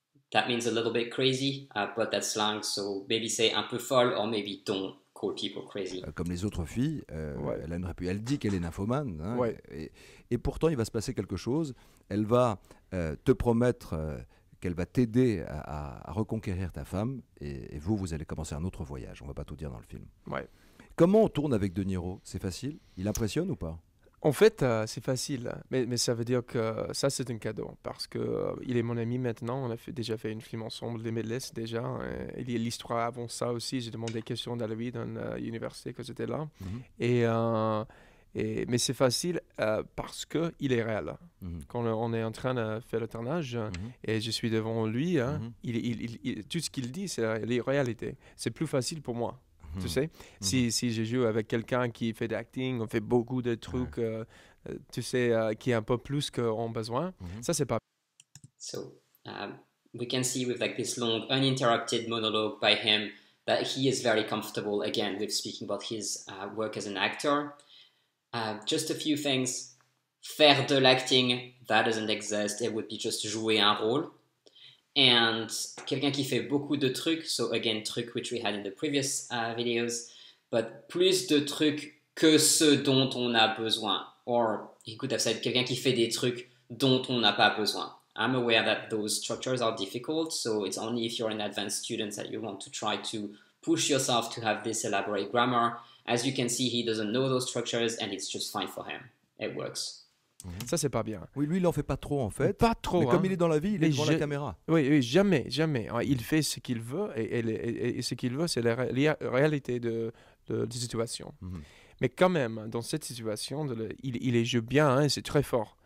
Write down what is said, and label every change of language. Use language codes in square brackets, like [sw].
[en] That means a little bit crazy, but that's slang. So maybe say [fr] un peu folle, [en] or maybe don't. Call people crazy. [fr] Comme les autres filles, ouais, elle a une réputation. Elle dit qu'elle est nymphomane. Hein, ouais. Et pourtant, il va se passer quelque chose. Elle va te promettre qu'elle va t'aider à reconquérir ta femme. Et vous allez commencer un autre voyage. On va pas tout dire dans le film. Ouais. Comment on tourne avec De Niro? C'est facile? Il impressionne ou pas? En fait, c'est facile. Mais ça veut dire que ça, c'est un cadeau. Parce qu'il est mon ami maintenant. On a déjà fait un film ensemble, Les Médelesses, déjà. Il y a l'histoire avant ça aussi. J'ai demandé des questions à lui dans l'université quand j'étais là. Mm-hmm. Mais c'est facile parce qu'il est réel. Mm-hmm. Quand on est en train de faire le tournage, mm-hmm, et je suis devant lui, hein, mm-hmm, il, tout ce qu'il dit, c'est la réalité. C'est plus facile pour moi. Tu sais, mm-hmm, si je joue avec quelqu'un qui fait de l'acting, on fait beaucoup de trucs, ouais, tu sais, qui est un peu plus qu'on a besoin, mm-hmm, ça c'est pas. [en] So, we can see with like this long uninterrupted monologue by him that he is very comfortable again with speaking about his work as an actor. Just a few things. [fr] Faire de l'acting, [en] that doesn't exist. It would be just [fr] jouer un rôle. [en] And [fr] quelqu'un qui fait beaucoup de trucs, [en] so again, trucs which we had in the previous videos, but [fr] plus de trucs que ceux dont on a besoin. [en] Or, he could have said, [fr] quelqu'un qui fait des trucs dont on n'a pas besoin. [en] I'm aware that those structures are difficult, so it's only if you're an advanced student that you want to try to push yourself to have this elaborate grammar. As you can see, he doesn't know those structures, and it's just fine for him. It works. [fr] Ça, c'est pas bien. Oui, lui, il en fait pas trop, en fait. Pas trop. Mais comme hein, il est dans la vie, il est devant la caméra. Oui, oui, jamais, jamais. Il fait ce qu'il veut, et ce qu'il veut, c'est la réalité de la situation. Mm-hmm. Mais quand même, dans cette situation, il joue bien, hein, c'est très fort.